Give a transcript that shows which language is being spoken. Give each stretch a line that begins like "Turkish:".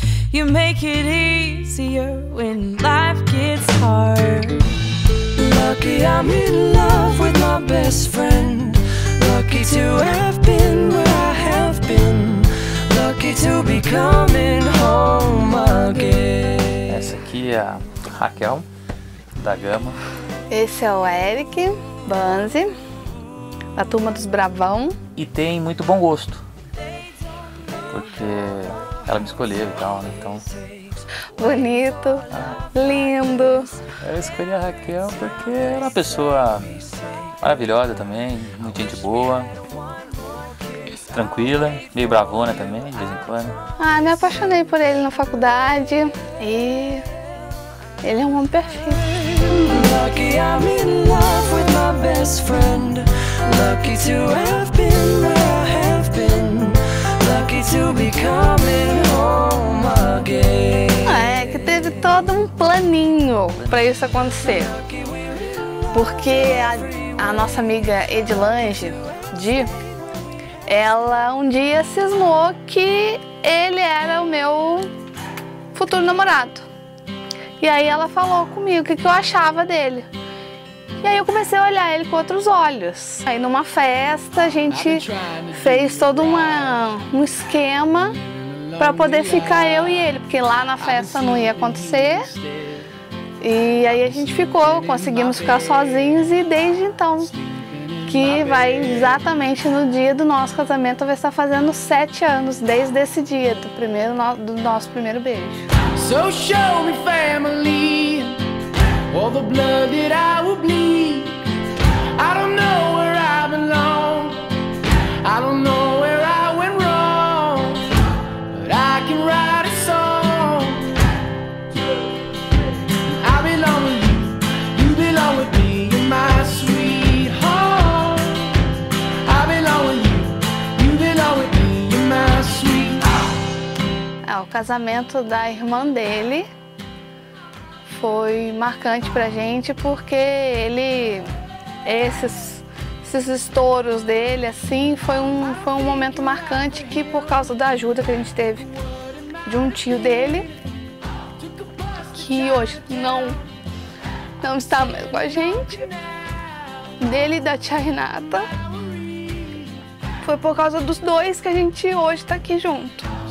English: You make it easier when life gets hard. Lucky I'm in love with my best friend. Lucky to have been where I have been. Lucky to be coming home again.
Portuguese: Essa aqui é a Raquel, da Gama. Esse é o Eric Banzi, da turma dos Bravão. E tem muito bom gosto, porque ela me escolheu e tal, né? Então... Bonito, lindo. Eu escolhi a Raquel porque é uma pessoa maravilhosa também, muito gente boa, tranquila, meio bravona também, de vez em quando. Ah, me apaixonei por ele na faculdade e ele é um homem perfeito.
English: Lucky I'm in love with my best friend. Lucky to have been where I have been. Lucky to be coming home again.
Portuguese: É que teve todo um planinho pra isso acontecer. Porque a nossa amiga Edilange, Di, ela um dia cismou que ele era o meu futuro namorado. E aí ela falou comigo o que eu achava dele. E aí eu comecei a olhar ele com outros olhos. Aí numa festa a gente fez todo um esquema pra poder ficar eu e ele, porque lá na festa não ia acontecer. E aí a gente ficou, conseguimos ficar sozinhos e desde então, que vai exatamente no dia do nosso casamento, vai estar fazendo 7 anos, desde esse dia, do nosso primeiro beijo.
English: So show me family, all the blood that I will bleed. I don't know where I belong, I don't know where I went wrong, but I can write a song. I belong with you, you belong with me, you're my sweet home. I belong with you, you belong with me, you're my sweet home.
Portuguese: É o casamento da irmã dele. Foi marcante pra gente porque ele, esses estouros dele, assim, foi um momento marcante que, por causa da ajuda que a gente teve de um tio dele, que hoje não está mais com a gente, dele e da tia Renata, foi por causa dos dois que a gente hoje está aqui junto.